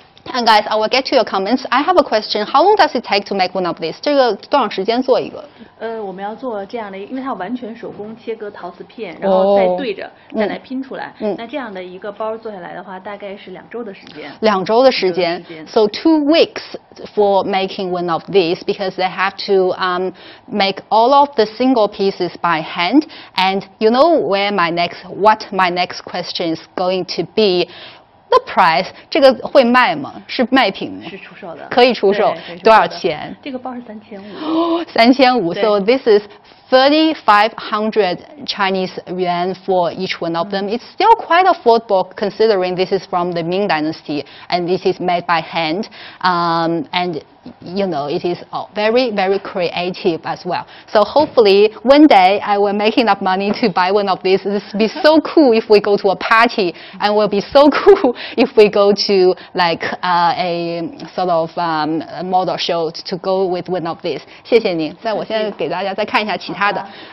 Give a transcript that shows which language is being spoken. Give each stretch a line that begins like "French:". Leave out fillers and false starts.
English: And guys, I will get to your comments. I have a question. How long does it take to make one of these?
Chinese: 这个多长时间做一个？我们要做这样的，因为它完全手工切割陶瓷片，然后再对着、哦、再来拼出来、嗯。那这样的一个包做下来的话，大概是两周的时间。两周的时间。时间
English: so 2 weeks for making one of these, because they have to make all of the single pieces by hand. And you know what my next question is going to be. The price,
Chinese: 这个会卖吗？是卖品吗？是出售的。可以出售，多少钱？这个包是3500。
English: 3500, so this is 3500 Chinese yuan for each one of them. It's still quite affordable considering this is from the Ming Dynasty and this is made by hand. And you know, it is very, very creative as well. So hopefully one day I will make enough money to buy one of these. This would be so cool if we go to a party and will be so cool if we go to like a sort of model show to go with one of these.
Chinese: 谢谢您。在我现在给大家再看一下其他的。